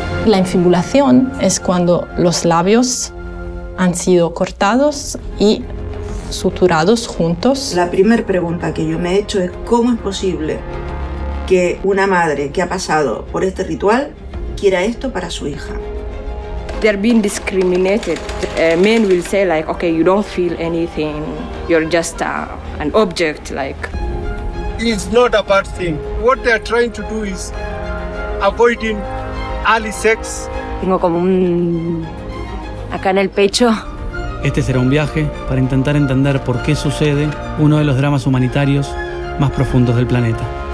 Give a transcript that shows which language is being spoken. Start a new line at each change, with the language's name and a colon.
Spanish: La infibulación es cuando los labios han sido cortados y suturados juntos. La primera pregunta que yo me he hecho es cómo es posible que una madre que ha pasado por este ritual quiera esto para su hija.
English: They're being discriminated. Men will say like, okay, you don't feel anything. You're just an object, like. It's not a bad thing. What they're trying to do is avoiding early sex.
Spanish: Tengo como un acá en el pecho. Este será un viaje para intentar entender por qué sucede uno de los dramas humanitarios más profundos del planeta.